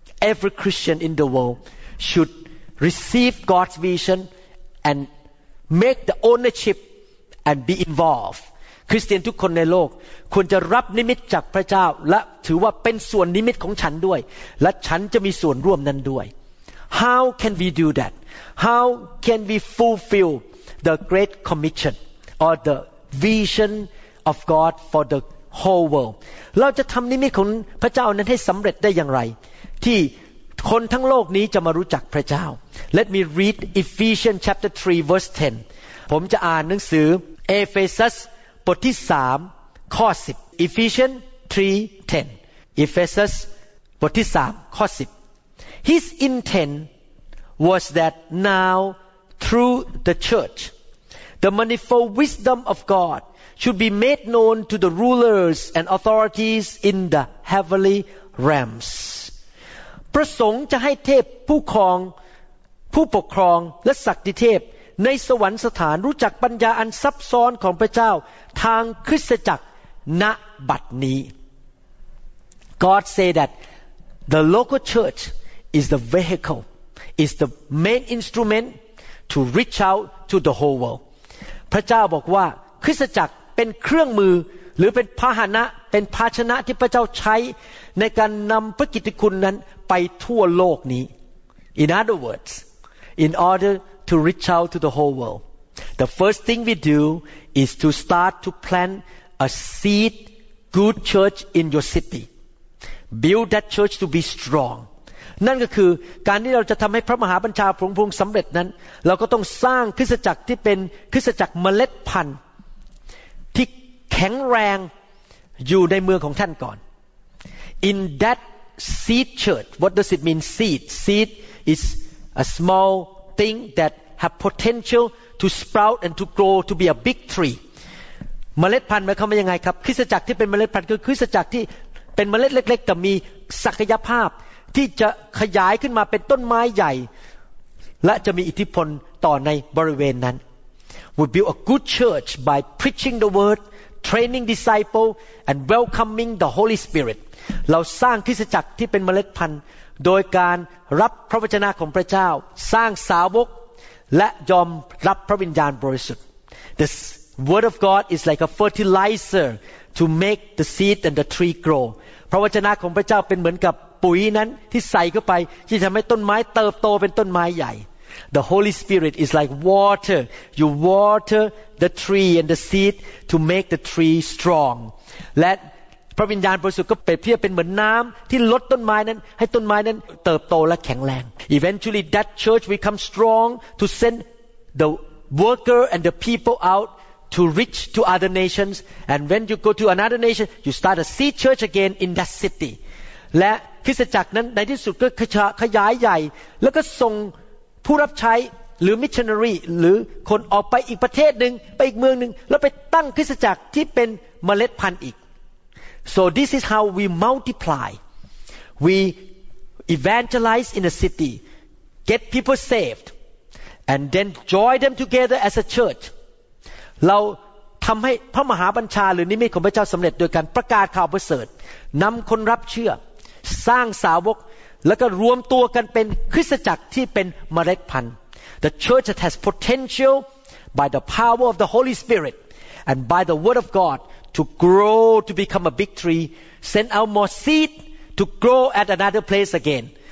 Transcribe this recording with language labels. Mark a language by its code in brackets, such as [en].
[en] Every Christian in the world should receive God's vision and make the ownership and be involved [th] คริสเตียนทุกคนในโลกควรจะรับนิมิตจากพระเจ้าและถือว่าเป็นส่วนนิมิตของฉันด้วยและฉันจะมีส่วนร่วมนั้นด้วย [en] How can we do that? How can we fulfill the great commission or the vision of God for the whole world? [th] เราจะทำนิมิตของพระเจ้านั้นให้สำเร็จได้อย่างไรที่ คนทั้งโลกนี้จะมารู้จักพระเจ้า [en] Let me read Ephesians chapter 3 verse 10 [th] ผมจะอ่านหนังสือเอเฟซัสบทที่3ข้อ10 [en] Ephesians 3:10 Ephesians [th] บทที่3ข้อ10 [en] His intent was that now through the church the manifold wisdom of God should be made known to the rulers and authorities in the heavenly realms [th] ประสงค์จะให้เทพผู้ครองผู้ปกครองและศักดิ์เทพในสวรรคสถานรู้จักปัญญาอันซับซ้อนของพระเจ้าทางคริสตจักรณบัดนี้ [en] God say that the local church is the vehicle, is the main instrument to reach out to the whole world. [th] พระเจ้าบอกว่าคริสตจักรเป็นเครื่องมือหรือเป็นพาหนะเป็นภาชนะที่พระเจ้าใช้ในการนำพระกิตติคุณนั้นไปทั่วโลกนี้ [en] In other words, in order to reach out to the whole world, the first thing we do is to start to plant a seed good church in your city. Build that church to be strong. [th] นั่นก็คือการที่เราจะทำให้พระมหาบัญชาพระองค์สำเร็จนั้นเราก็ต้องสร้างคริสตจักรที่เป็นคริสตจักรเมล็ดพันธุ์ที่แข็งแรงอยู่ในเมืองของท่านก่อน [en] In that seed church, what does it mean seed? Seed is a small thing that have potential to sprout and to grow to be a big tree. [th] เมล็ดพันธุ์หมายความว่ายังไงครับคริสตจักรที่เป็นเมล็ดพันธุ์คือคริสตจักรที่เป็นเมล็ดเล็กๆแต่มีศักยภาพที่จะขยายขึ้นมาเป็นต้นไม้ใหญ่และจะมีอิทธิพลต่อในบริเวณนั้น [en] We build a good church by preaching the word, training disciples, and welcoming the Holy Spirit. [th] เราสร้างคริสตจักรที่เป็นเมล็ดพันธุ์โดยการรับพระวจนะของพระเจ้าสร้างสาวกและยอมรับพระวิญญาณบริสุทธิ์ [en] The word of God is like a fertilizer to make the seed and the tree grow. [th] พระวจนะของพระเจ้าเป็นเหมือนกับปุ๋ยนั้นที่ใส่เข้าไปที่ทำให้ต้นไม้เติบโตเป็นต้นไม้ใหญ่ [en] The Holy Spirit is like water. You water the tree and the seed to make the tree strong. [th] และพระวิญญาณบริสุทธิ์ก็เปรียบเทียบเป็นเหมือนน้ำที่ลดต้นไม้นั้นให้ต้นไม้นั้นเติบโตและแข็งแรง [en] Eventually that church will come strong to send the worker and the people outTo reach to other nations, and when you go to another nation, you start a seed church again in that city. [th] และคริสตจักรนั้นในที่สุดก็ขยายใหญ่แล้วก็ส่งผู้รับใช้หรือมิชชันนารีหรือคนออกไปอีกประเทศหนึ่งไปอีกเมืองหนึ่งแล้วไปตั้งคริสตจักรที่เป็นเมล็ดพันธุ์อีก [en] So this is how we multiply. We evangelize in a city, get people saved, and then join them together as a church. [th] เราทำให้พระมหาบัญชาหรือนิมิตของพระเจ้าสำเร็จโดยการประกาศข่าวประเสริฐนำคนรับเชื่อสร้างสาวกแล้วก็รวมตัวกันเป็นคริสตจักรที่เป็นเมล็ดพันธุ์ [en] The church that has potential by the power of the Holy Spirit and by the word of God to grow to become a big tree send out more seed to grow at another place again